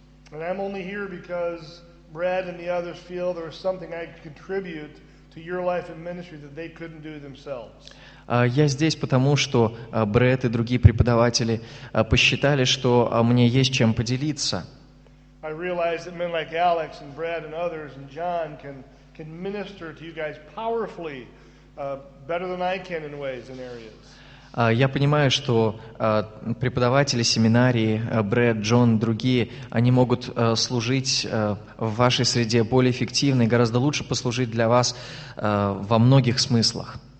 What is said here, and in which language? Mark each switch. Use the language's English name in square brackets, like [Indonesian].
[Russian] И я только здесь, потому что [English] Brad and the others feel there is something I contribute to your life and ministry that they couldn't do themselves. [Russian] Я здесь потому, что Брэд и другие преподаватели посчитали, что мне есть чем поделиться. [English] I realize that men like Alex and Brad and others and John can minister to you guys powerfully better than I can in ways and areas. [Russian] Я понимаю, что преподаватели семинарии, Брэд, Джон, другие, они могут служить в вашей среде более эффективно и гораздо лучше послужить для вас во многих смыслах.